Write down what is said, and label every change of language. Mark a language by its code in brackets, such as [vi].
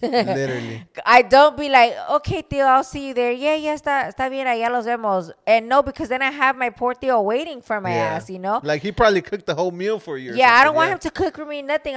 [en] Literally. I don't be like, okay, tío, I'll see you there. [es] Yeah, está bien, allá los vemos. [en] And no, because then I have my poor tío waiting for my ass, you know? Like, he probably cooked the whole meal for you. Yeah, I don't want him to cook for me nothing.